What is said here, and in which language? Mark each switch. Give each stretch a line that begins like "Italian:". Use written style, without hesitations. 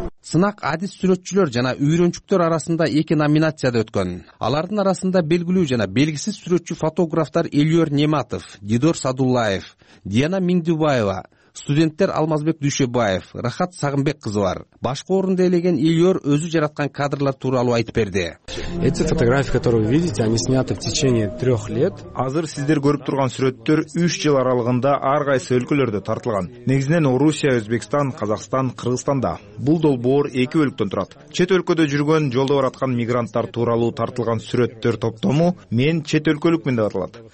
Kyrgyz: Сынак адис сүрөтчүлөр жана үйрөнчүктөр арасында 2 номинацияда өткөн. Алардын арасында белгилүү жана белгисиз сүрөтчү фотографтар Эльор Нематов, Дидор Садуллаев, Диана Миңдибаева, студенттер Алмазбек Дүшөбаев, Рахат Сагынбек кызы бар. Башкы орунду ээлеген Ильёр өзү жараткан кадрлар тууралуу айтып берди.
Russian: Эти фотографии, которые вы видите, они сняты в течение 3 лет.
Kyrgyz: Азыр сиздер көрүп турган сүрөттөр 3 жыл аралыгында ар кайсы өлкөлөрдө тартылган. Негизинен Орусия, Өзбекстан, Казакстан, Кыргызстанда. Бул долбоор 2 бөлүктөн турат. Чет өлкөдө жүргөн, жолдо бараткан мигранттар тууралуу тартылган сүрөттөр топтому мен чет өлкөлүкмүн деп аталат.